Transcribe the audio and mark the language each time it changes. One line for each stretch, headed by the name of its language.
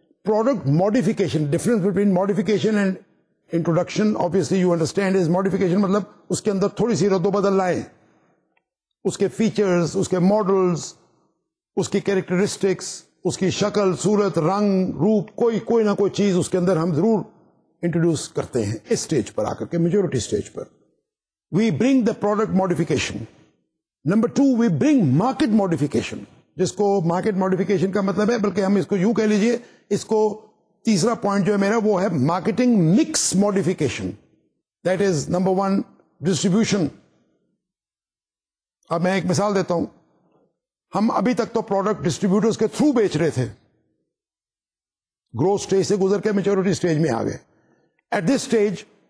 English: Product modification, difference between modification and introduction, obviously you understand is modification
Urdu: مطلب اس کے اندر تھوڑی سی رد و بدل لائے، اس کے فیچرز، اس کے ماڈلز، اس کی کیریکٹرسٹکس، اس کی شکل، صورت، رنگ، روپ، کوئی نہ کوئی چیز اس کے اندر ہم ضرور انٹروڈیوس کرتے ہیں اس اسٹیج پر آ کر کے.
English: Majority stage پر we bring the product modification.
Urdu: Number two,
English: we bring market modification,
Urdu: جس کو مارکیٹ ماڈیفکیشن کا مطلب ہے، بلکہ ہم اس کو یوں کہہ لیجئے، اس کو تیسرا پوائنٹ جو ہے میرا وہ ہے marketing mix modification,
English: That is number one distribution.
Urdu: اب میں ایک مثال دیتا ہوں، ہم ابھی تک تو پروڈکٹ ڈسٹریبیوٹرز کے تھرو بیچ رہے تھے، گروتھ اسٹیج سے گزر کے میچورٹی اسٹیج میں آ گئے.
English: at this stage